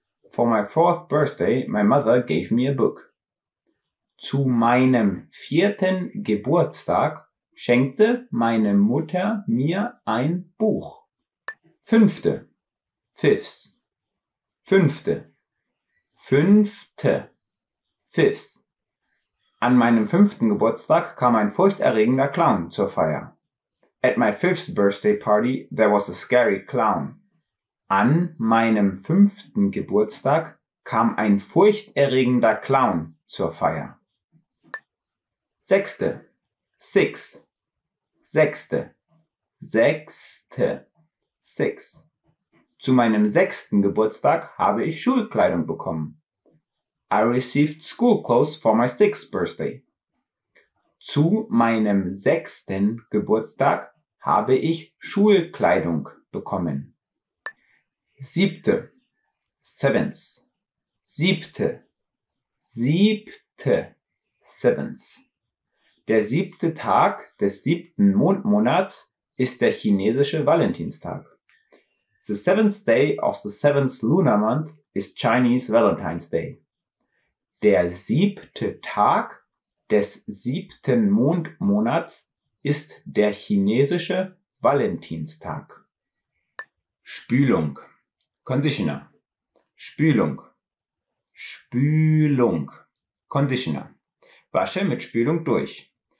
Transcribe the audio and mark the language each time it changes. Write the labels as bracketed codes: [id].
[en] For my fourth birthday, my mother gave me a book. [de] Zu meinem vierten Geburtstag schenkte meine Mutter mir ein Buch. Fünfte. Fifth. Fünfte. Fünfte. Fifth. An meinem fünften Geburtstag kam ein furchterregender Clown zur Feier. [en] At my fifth birthday party, there was a scary clown. [de] An meinem fünften Geburtstag kam ein furchterregender Clown zur Feier. Sechste. Sixth. Sechste. Sechste. Sixth. Zu meinem sechsten Geburtstag habe ich Schulkleidung bekommen. [en] I received school clothes for my sixth birthday. [de] Zu meinem sechsten Geburtstag habe ich Schulkleidung bekommen. Siebte. Seventh. Siebte. Siebte. Seventh. Der siebte Tag des siebten Mondmonats ist der chinesische Valentinstag. [en] The seventh day of the seventh lunar month is Chinese Valentine's Day. [de] Der siebte Tag des siebten Mondmonats ist der chinesische Valentinstag. Spülung. Conditioner. Spülung. Spülung. Conditioner. Wasche mit Spülung durch.